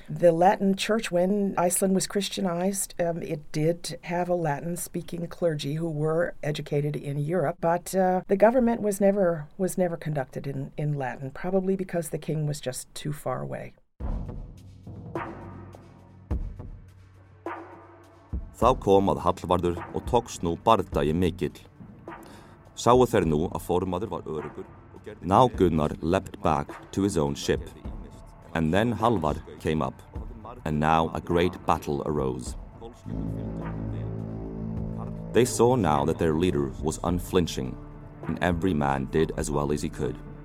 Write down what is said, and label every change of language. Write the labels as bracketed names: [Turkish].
[English] The Latin church, when Iceland was Christianized, it did have a Latin-speaking clergy who were educated in Europe, but the government was never conducted in Latin, probably because the king was just too far away. [Icelandic] Þá kom að Hallvarður og tókst nú bardagi mikill. Sáu þeir nú að formaður var öruggur. [English] Now Gunnar leapt back to his own ship, and then Hallvar came up, and now a great battle arose. They saw now that their leader was unflinching, and every man did as well as he could.